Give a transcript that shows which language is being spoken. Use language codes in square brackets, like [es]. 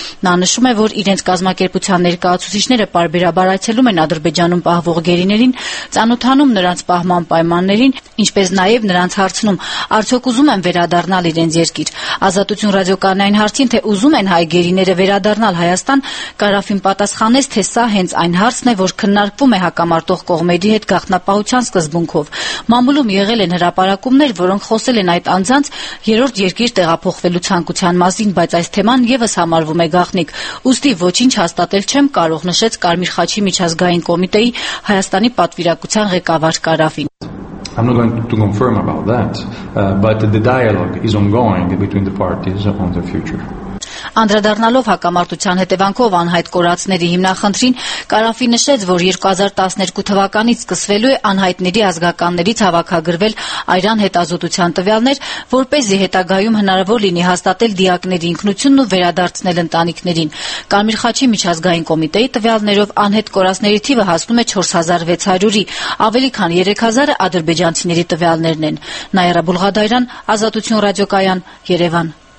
[hy] Նա նշում է, որ իրենց կազմակերպության ներկայացուցիչները պարբերաբար այցելում են Ադրբեջանում պահվող գերիներին, ծանոթանում նրանց պահման պայմաններին, ինչպես նաև նրանց հարցնում, արդյոք ուզում են վերադառնալ իրենց երկիր։ Ազատություն ռադիոկանալային հարցին, թե ուզում են հայ գերիները վերադառնալ Հայաստան, Կարաֆին պատասխանեց, թե սա հենց այն հարցն է, որ քննարկվում է հակամարտող կողմերի հետ գաղտնապահության սկզբունքով։ Մամուլում եղել են հրապարակումներ, որոնք խոսել են այդ անձանց երրորդ երկիր տեղափոխվելու ցանկության մասին, բայց այս թեման ևս համարվում է գաղտնիք։ Ուստի ոչինչ հաստատել չեմ կարող, նշեց Կարմիր Խաչի միջազգային կոմիտեի Հայաստանի պատվիրակության ղեկավար Կարաֆին։ [en] I'm not going to confirm about that, but the dialogue is ongoing between the parties on their future. [hy] Անդրադառնալով հակամարտության հետևանքով անհայտ կորածների հիմնախնդրին, Կարաֆին նշեց, որ 2012 թվականից սկսվելու է անհայտների ազգականներից հավաքագրվել այրան հետազոտության տվյալներ, որպեսզի հետագայում հնարավոր լինի հաստատել դիակների ինքնությունն ու վերադարձնել ընտանիքներին։ Կարմիր Խաչի միջազգային կոմիտեի տվյալներով անհետ կորածների թիվը հասնում է 4600-ի, ավելի քան 3000-ը ադրբեջանցիների տվյալներն են։ Նաիրա Բուլղադայան, Ազատություն ռադիոկայան, Երևան։